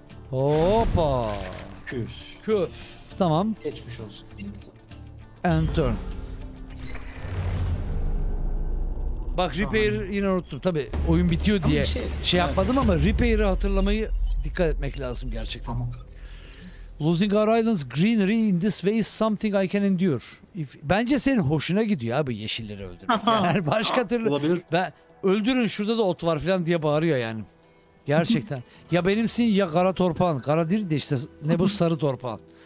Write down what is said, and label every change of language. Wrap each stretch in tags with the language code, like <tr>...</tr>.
<tr>Hoppa. Küf. Küf. Tamam. Geçmiş olsun. Bindi zaten. Enter. Bak Şahane. repair'ı yine unuttum. Tabii oyun bitiyor Ama bir diye şey edeceğim. şey Evet. yapmadım ama repair'ı hatırlamayı dikkat etmek lazım gerçekten. Tamam.</tr> <en>Losing our island's greenery in this way is something I can endure.</en> <tr>Bence senin hoşuna gidiyor abi yeşilleri öldürmek. Yani her başka türlü Olabilir. ben öldürün şurada da ot var falan diye bağırıyor yani. Gerçekten. Ya benimsin ya kara torpağın. Kara değil de işte ne bu sarı torpağın.</tr>